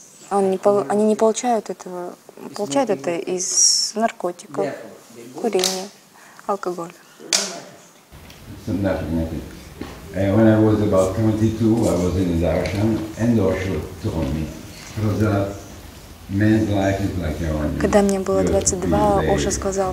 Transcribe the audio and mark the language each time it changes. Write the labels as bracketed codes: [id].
[ru] Они не получают этого. Получают это из наркотиков, курения, алкоголя. [en] When I was about 22, I was in the darshan, and Osho told me, Prasad, man's life is like your own. [ru] Когда мне было 22, Оша сказал